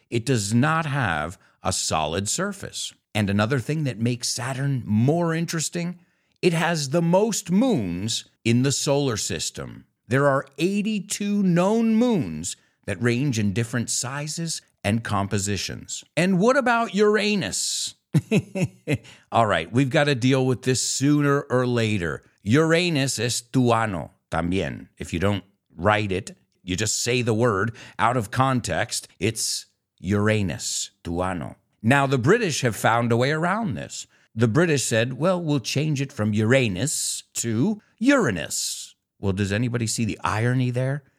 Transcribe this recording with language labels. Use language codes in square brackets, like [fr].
[en] It does not have a solid surface. And another thing that makes Saturn more interesting, it has the most moons in the solar system. There are 82 known moons that range in different sizes and compositions. And what about Uranus? All right, we've got to deal with this sooner or later. [es] Uranus es tu ano también. [en] If you don't write it, you just say the word out of context, it's Uranus, [es] tu ano. [en] Now, the British have found a way around this. The British said, well, we'll change it from Uranus to Uranus. Well, does anybody see the irony there?